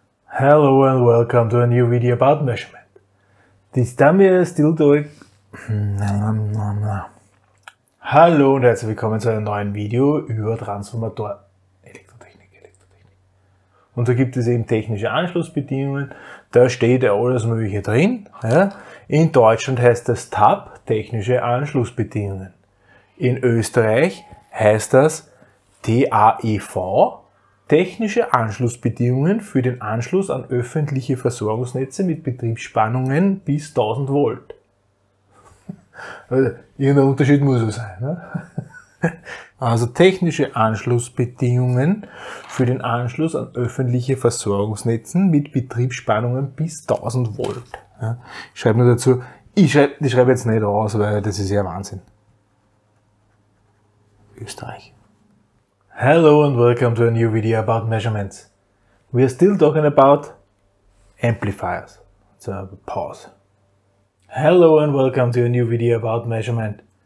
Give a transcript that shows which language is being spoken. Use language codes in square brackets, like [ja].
[en] Hello and welcome to a new video about measurement. This time we are still doing... [de] Hallo und herzlich willkommen zu einem neuen Video über Transformator. Elektrotechnik. Und da gibt es eben technische Anschlussbedingungen. Da steht ja alles Mögliche drin. Ja. In Deutschland heißt das TAP, technische Anschlussbedingungen. In Österreich heißt das TAEV, technische Anschlussbedingungen für den Anschluss an öffentliche Versorgungsnetze mit Betriebsspannungen bis 1000 Volt. Irgendein Unterschied muss es sein. Ne? Also technische Anschlussbedingungen für den Anschluss an öffentliche Versorgungsnetzen mit Betriebsspannungen bis 1000 Volt. Ja, ich schreibe nur dazu, ich schreibe jetzt nicht aus, weil das ist ja Wahnsinn. Österreich. [en] Hello and welcome to a new video about measurements. We are still talking about amplifiers. So, pause. Hello and welcome to a new video about measurement.